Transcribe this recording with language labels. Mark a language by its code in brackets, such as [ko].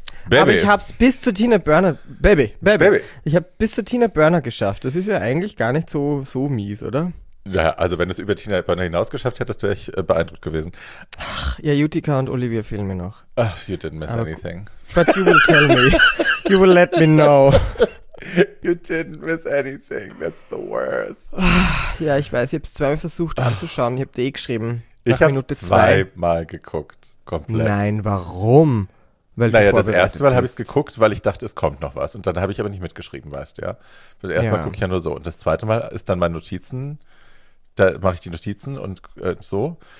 [de] Aber ich hab's bis zu Tina Burner. Ich hab bis zu Tina Burner geschafft. Das ist ja eigentlich gar nicht so mies, oder? Ja, also wenn du es über Tina Burner hinaus geschafft hättest, wäre ich beeindruckt gewesen. Ach, ja, Utica und Olivia fehlen mir noch. [en] Ach, you didn't miss anything. But you will tell me. You will let me know. You didn't miss anything. That's the worst. [de] Ja, ich weiß, ich habe es zweimal versucht anzuschauen. Ich habe dir eh geschrieben. Ich habe es zweimal geguckt, komplett. Nein, warum? Weil naja, das erste Mal habe ich es geguckt, weil ich dachte, es kommt noch was. Und dann habe ich aber nicht mitgeschrieben, weißt du, ja. Weil erstmal gucke ich ja nur so. Und das zweite Mal ist dann meine Notizen. Da mache ich die Notizen und so.